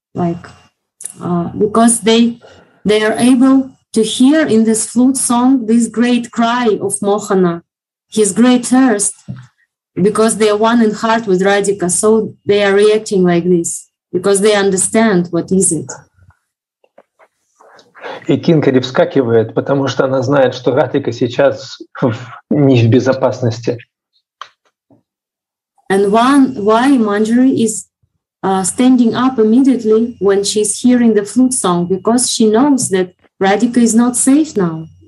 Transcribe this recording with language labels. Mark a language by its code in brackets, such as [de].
[en] Like because they are able to hear in this flute song this great cry of Mohana, his great thirst, because they are one in heart with Radhika, so they are reacting like this. because they understand what is it. [ru] И Кинкари вскакивает, потому что она знает, что Радхика сейчас не в безопасности. [en] And why Manjari is standing up immediately when she's hearing the flute song, because she knows that Radhika is not safe now.